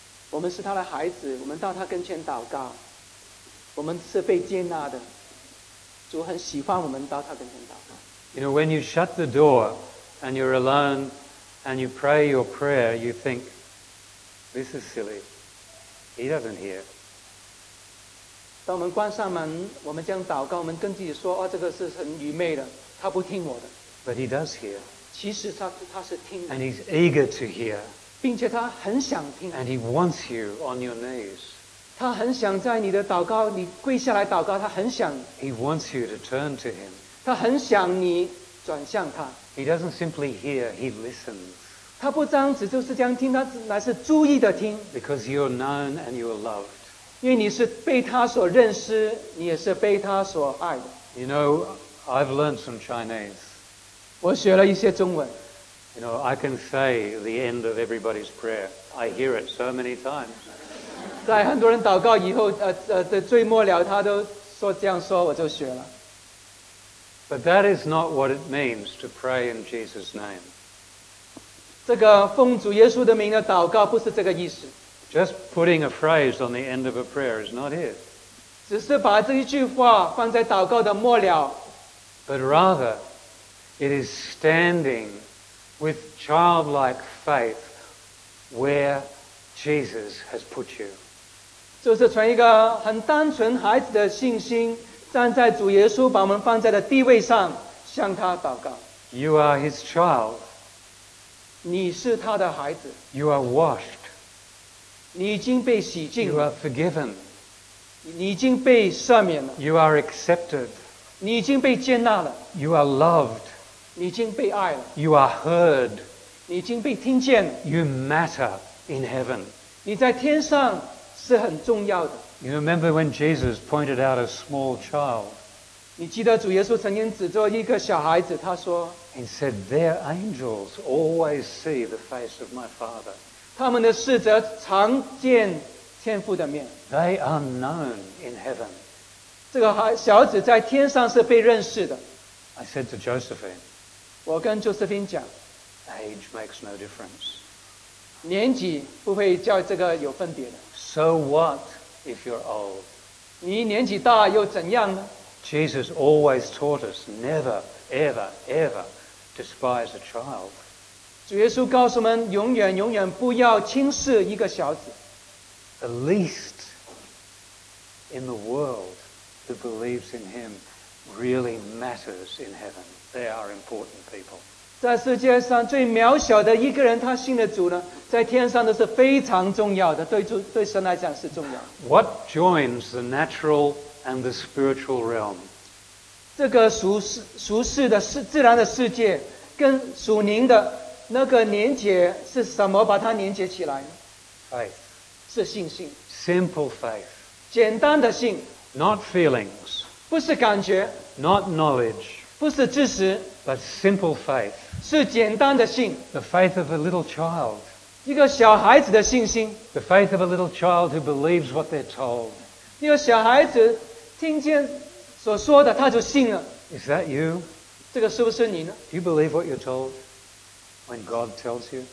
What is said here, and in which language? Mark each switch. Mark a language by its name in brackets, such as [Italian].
[Chinese] 我们是他的孩子，我们到他跟前祷告，我们是被接纳的。主很喜欢我们到他跟前祷告。 [English] You know, when you shut the door and you're alone and you pray your prayer, you think, this is silly. He doesn't hear. [Chinese] 当我们关上门，我们这样祷告，我们跟自己说，哦，这个是很愚昧的。他不听我的。 [English] But he does hear. [Chinese] 其实他是听的。 [English] And he's eager to hear. [Chinese] 并且他很想听。 [English] And he wants you on your knees. [Chinese] 他很想在你的祷告，你跪下来祷告，他很想。 [English] He wants you to turn to him. [Chinese] 他很想你转向他。 [English] He doesn't simply hear, he listens. [Chinese] 他不单只就是这样听，他乃是注意的听。 [English] Because you're known and you're loved. [Chinese] 因为你是被他所认识，你也是被他所爱的。 [English] You know,I've learned some Chinese. [Chinese] 我学了一些中文。 [English] You know, I can say the end of everybody's prayer. I hear it so many times. [Chinese] 在很多人祷告以后，最末了他都说这样说，我就学了。 [English] But that is not what it means to pray in Jesus' name. [Chinese] 这个奉主耶稣的名的祷告不是这个意思。 [English] Just putting a phrase on the end of a prayer is not it. [Chinese] 只是把这一句话放在祷告的末了。 [English] But rather, it is standing with childlike faith where Jesus has put you. [Chinese] 就是从一个很单纯孩子的信心，站在主耶稣把我们放在的地位上，向他祷告。 [English] You are his child. [Chinese] 你是他的孩子。 [English] You are washed. [Chinese] 你已经被洗净。 [English] You are forgiven. [Chinese] 你已经被赦免了。 [English] You are accepted. [Chinese] 你已经被接纳了。 [English] You are loved. [Chinese] 你已经被爱了。 [English] You are heard. [Chinese] 你已经被听见了。 [English] You matter in heaven. [Chinese] 你在天上是很重要的。 [English] You remember when Jesus pointed out a small child? [Chinese] 你记得主耶稣曾经指着一个小孩子，他说 [English] ，He said, "Their angels always see the face of my Father." [Chinese] 他们的使者常见天父的面。 [English] They are known in heaven. [Chinese] 这个小子在天上是被认识的。 [English] I said to Josephine, [Chinese] 我跟 Josephine 讲， [English] Age makes no difference. [Chinese] 年纪不会叫这个有分别的。 [English] So what if you're old? [Chinese] 你年纪大又怎样呢？ [English] Jesus always taught us never, ever, ever despise a child. [Chinese] 主耶稣告诉我们永远永远不要轻视一个小子。 [English] The least in the world. Who believes in him really matters in heaven. They are important people. [Chinese] 在世界上最渺小的一个人，他信了主呢，在天上都是非常重要的，对神来讲是重要的。 [English] What joins the natural and the spiritual realm? [Chinese] 这个俗世的自然的世界跟属灵的那个连结是什么？把它连结起来 [English] ？Faith [Chinese] 是信心。 [English] Simple faith [Chinese] 简单的信。 [English] Not feelings, [Chinese] 不是感觉 [English] not knowledge, [Chinese] 不是知识 [English] but simple faith, [Chinese] 是简单的信 [English] the faith of a little child, [Chinese] 一个小孩子的信心 [English] the faith of a little child who believes what they're told, [Chinese] 一个小孩子听见所说的他就信了 [English] is that you? [Chinese] 这个是不是你呢 [English] do you believe what you're told when God tells you?